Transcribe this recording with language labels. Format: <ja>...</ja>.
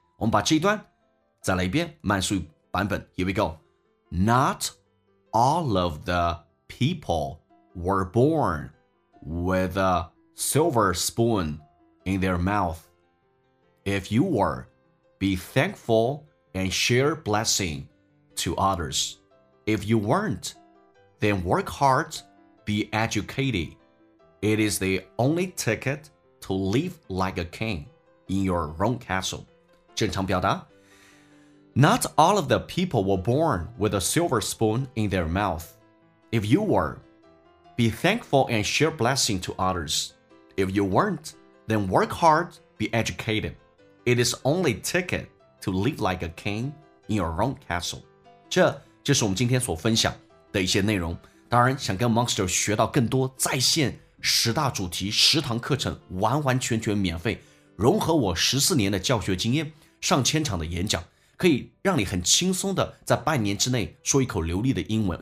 <zh>我们把这一段再来一遍慢速版本。</zh> <en>Here we go. Not all of the people were born with a silver spoon in their mouth. If you were, be thankful and share blessing to othersIf you weren't, then work hard, be educated. It is the only ticket to live like a king in your own castle.</en> <zh>正常表达。</zh> <en>Not all of the people were born with a silver spoon in their mouth. If you were, be thankful and share blessing to others. If you weren't, then work hard, be educated. It is only ticket to live like a king in your own castle.</en> <zh>这就是我们今天所分享的一些内容。当然想跟 Monster 学到更多在线十大主题十堂课程，完完全全免费，融合我14年的教学经验，上千场的演讲，可以让你很轻松的在半年之内说一口流利的英文。</zh>